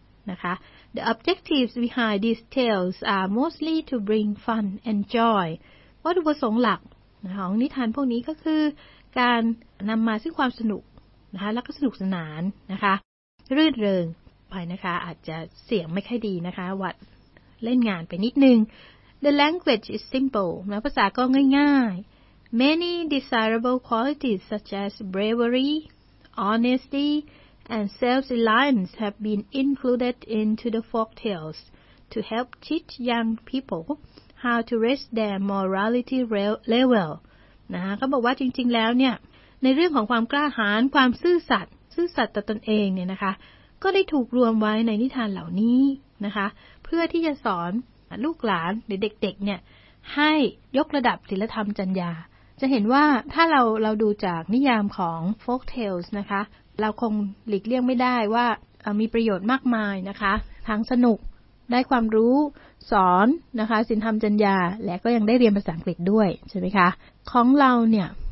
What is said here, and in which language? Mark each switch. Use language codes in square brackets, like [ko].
[th] นะคะ [en] The objectives behind these tales are mostly to bring fun and joy [th] วัตถุประสงค์หลักของนิทานพวกนี้ก็คือการนำมาซึ่งความสนุกนะคะแล้วก็สนุกสนานนะคะรื่นเริงไปนะคะอาจจะเสียงไม่ค่อยดีนะคะหวัดเล่นงานไปนิดนึง [en] The language is simple. [th] แปลภาษาก็ง่ายๆ [en] Many desirable qualities such as bravery, honesty, and self-reliance have been included into the folk tales to help teach young people how to raise their morality level. [th] นะฮะเขาบอกว่าจริงๆแล้วเนี่ยในเรื่องของความกล้าหาญความซื่อสัตย์ซื่อสัตย์ต่อตนเองเนี่ยนะคะก็ได้ถูกรวมไว้ในนิทานเหล่านี้นะคะเพื่อที่จะสอนลูกหลานหรือเด็กๆเนี่ย ให้ยกระดับศีลธรรมจรรยาจะเห็นว่าถ้าเราดูจากนิยามของ folk tales นะคะเราคงหลีกเลี่ยงไม่ได้ว่ามีประโยชน์มากมายนะคะทั้งสนุกได้ความรู้สอนนะคะศีลธรรมจรรยาและก็ยังได้เรียนภาษาอังกฤษด้วยใช่ไหมคะของเราเนี่ย